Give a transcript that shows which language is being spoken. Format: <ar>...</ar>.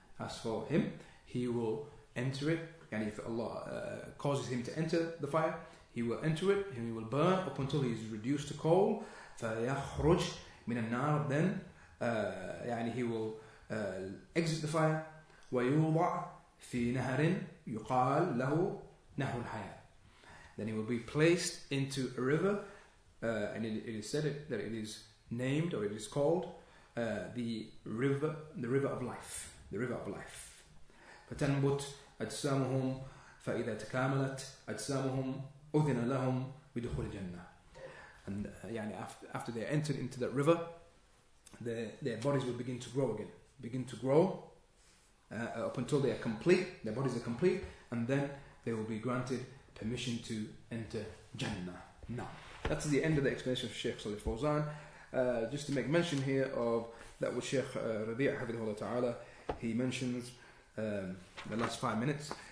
<en>As for him, he will enter it. يعني if Allah causes him to enter the fire, he will enter it and he will burn up until he is reduced to coal.</en> <ar>فيخرج من النار.</ar> <en>Then يعني he will exit the fire.</en> <ar>ويوضع في نهر يقال له نهر الحياة.</ar> <en>Then he will be placed into a river, and it is said that it is named, or it is called, the river of life.</en> <ar>فتنبت أجسامهم فإذا تكاملت أجسامهم أذن لهم بدخول الجنة.</ar> <en>And يعني after they entered into that river, their bodies will begin to grow again. Begin to grow up until they are complete. Their bodies are complete, and then they will be granted permission to enter Jannah. Now, that's the end of the explanation of Sheikh Salih Fawzan. Just to make mention here of that with Sheikh Rabi' Hafidhullah Ta'ala, he mentions the last 5 minutes.</en>